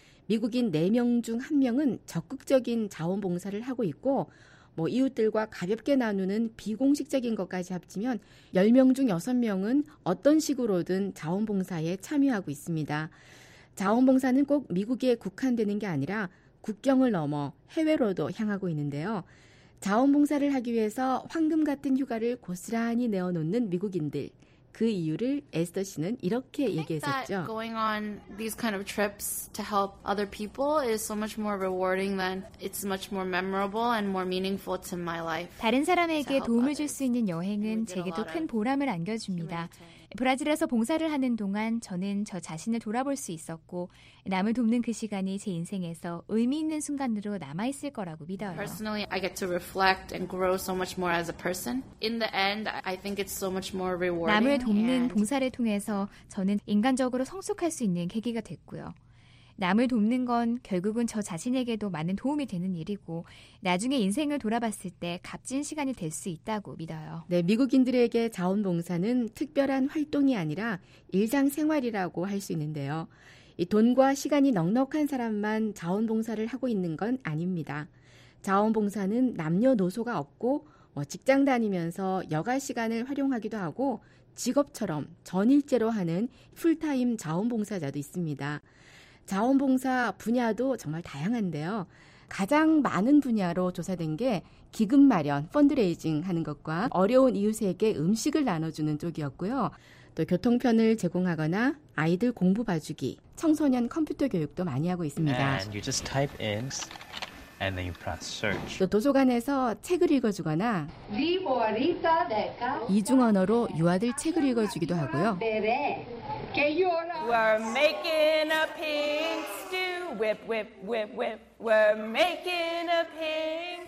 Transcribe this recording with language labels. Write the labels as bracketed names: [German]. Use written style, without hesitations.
[Korean] 미국인 4명 중 1명은 적극적인 자원봉사를 하고 있고 뭐 이웃들과 가볍게 나누는 비공식적인 것까지 합치면 10명 중 6명은 어떤 식으로든 자원봉사에 참여하고 있습니다. 자원봉사는 꼭 미국에 국한되는 게 아니라 국경을 넘어 해외로도 향하고 있는데요. 자원봉사를 하기 위해서 황금 같은 휴가를 고스란히 내어놓는 미국인들. 그 이유를 에스더 씨는 이렇게 얘기했었죠. [English] Going on these kind of trips to help other people is so much more rewarding than it's much more memorable and more meaningful to my life. [Korean] 다른 사람에게 도움을 줄 수 있는 여행은 제게도 큰 보람을 안겨줍니다. 브라질에서 봉사를 하는 동안 저는 저 자신을 돌아볼 수 있었고 남을 돕는 그 시간이 제 인생에서 의미 있는 순간으로 남아 있을 거라고 믿어요. [English] Personally, I get to reflect and grow so much more as a person. In the end, I think it's so much more rewarding. [Korean] 남을 돕는 봉사를 통해서 저는 인간적으로 성숙할 수 있는 계기가 됐고요. 남을 돕는 건 결국은 저 자신에게도 많은 도움이 되는 일이고 나중에 인생을 돌아봤을 때 값진 시간이 될 수 있다고 믿어요. 네, 미국인들에게 자원봉사는 특별한 활동이 아니라 일상생활이라고 할 수 있는데요. 이 돈과 시간이 넉넉한 사람만 자원봉사를 하고 있는 건 아닙니다. 자원봉사는 남녀노소가 없고 뭐 직장 다니면서 여가 시간을 활용하기도 하고 직업처럼 전일제로 하는 풀타임 자원봉사자도 있습니다. 자원봉사 분야도 정말 다양한데요. 가장 많은 분야로 조사된 게 기금 마련, 펀드레이징 하는 것과 어려운 이웃에게 음식을 나눠주는 쪽이었고요. 또 교통편을 제공하거나 아이들 공부 봐주기, 청소년 컴퓨터 교육도 많이 하고 있습니다. [English] And you just type in and then you press search. [Korean] 또 도서관에서 책을 읽어주거나 이중 언어로 유아들 책을 읽어주기도 하고요. [English] We're making a pink stew. Whip, whip, whip, whip. We're making a pink stew.